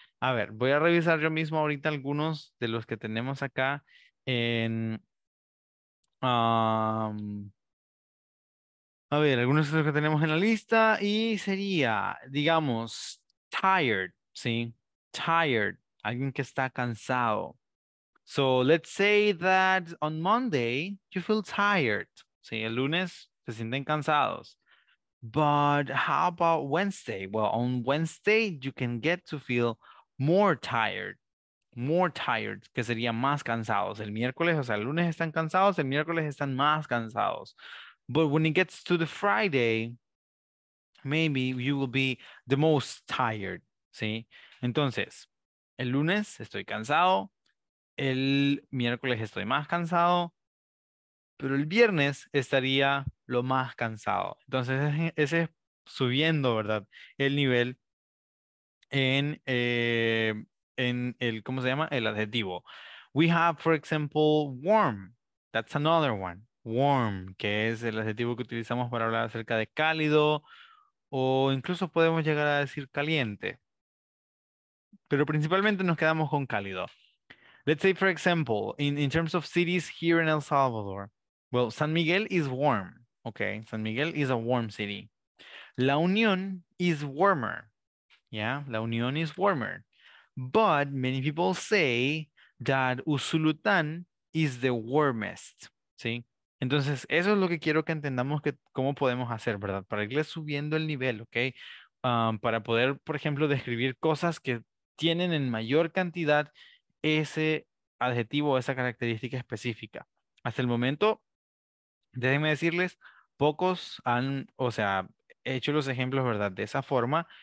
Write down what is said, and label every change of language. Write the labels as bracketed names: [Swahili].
[Spanish] A ver, voy a revisar yo mismo ahorita algunos de los que tenemos acá en... A ver, algunos de los que tenemos en la lista y sería, digamos, tired, ¿sí? Tired, alguien que está cansado. [English] So, let's say that on Monday, you feel tired. ¿Sí? [Spanish] El lunes, se sienten cansados. [English] But how about Wednesday? Well, on Wednesday, you can get to feel more tired. [Spanish] More tired, que sería más cansados. El miércoles, o sea, el lunes están cansados, el miércoles están más cansados. [English] But when it gets to the Friday, maybe you will be the most tired, ¿sí? [Spanish] Entonces, el lunes estoy cansado, el miércoles estoy más cansado, pero el viernes estaría lo más cansado. Entonces, ese es subiendo, ¿verdad?, el nivel en el, ¿cómo se llama?, el adjetivo. [English] We have, for example, warm. That's another one. [Spanish] Warm, que es el adjetivo que utilizamos para hablar acerca de cálido, o incluso podemos llegar a decir caliente. Pero principalmente nos quedamos con cálido. [English] Let's say, for example, in terms of cities here in El Salvador. Well, San Miguel is warm. Okay, San Miguel is a warm city. La Unión is warmer. Yeah, La Unión is warmer. But many people say that Usulután is the warmest. [Spanish] ¿Sí? Entonces, eso es lo que quiero que entendamos que cómo podemos hacer, ¿verdad? Para irle subiendo el nivel, ¿ok? Para poder, por ejemplo, describir cosas que tienen en mayor cantidad ese adjetivo o esa característica específica. Hasta el momento, déjenme decirles, pocos han, o sea, hecho los ejemplos, ¿verdad? De esa forma.